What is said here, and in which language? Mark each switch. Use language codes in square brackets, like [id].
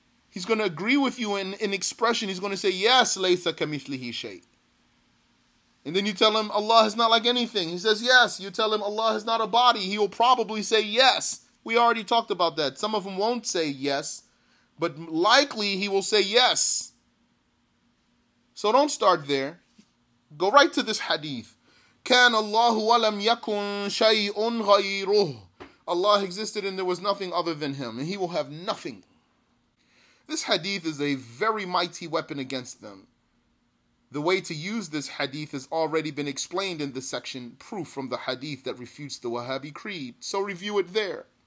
[en] He's going to agree with you in expression. He's going to say, yes, Laysa kamithlihi shay. And then you tell him, Allah is not like anything. He says, yes. You tell him, Allah is not a body. He will probably say, yes. We already talked about that. Some of them won't say yes, but likely he will say yes. So don't start there. Go right to this hadith. [ar] كان الله ولم يكن شيء غيره. [en] Allah existed and there was nothing other than him. And he will have nothing. This hadith is a very mighty weapon against them. The way to use this hadith has already been explained in the section proof from the hadith that refutes the Wahhabi creed. So review it there.